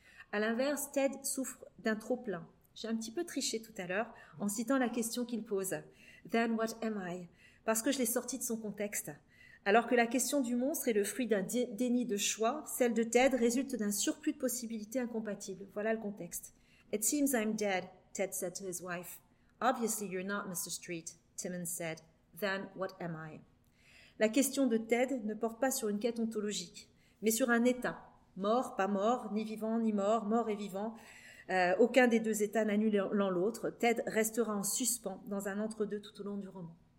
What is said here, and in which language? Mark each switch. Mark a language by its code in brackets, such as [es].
[fr] À l'inverse, Ted souffre d'un trop-plein. J'ai un petit peu triché tout à l'heure en citant la question qu'il pose. « [en] Then what am I ?» [fr] parce que je l'ai sorti de son contexte. Alors que la question du monstre est le fruit d'un déni de choix, celle de Ted résulte d'un surplus de possibilités incompatibles. Voilà le contexte. [en] « It seems I'm dead », Ted said to his wife. « Obviously you're not, Mr. Street », Timmons said. « Then what am I ?» [fr] La question de Ted ne porte pas sur une quête ontologique, mais sur un état. Mort, pas mort, ni vivant, ni mort, mort et vivant. Aucun des deux états n'annulant l'autre. Ted restera en suspens dans un entre-deux tout au long du roman.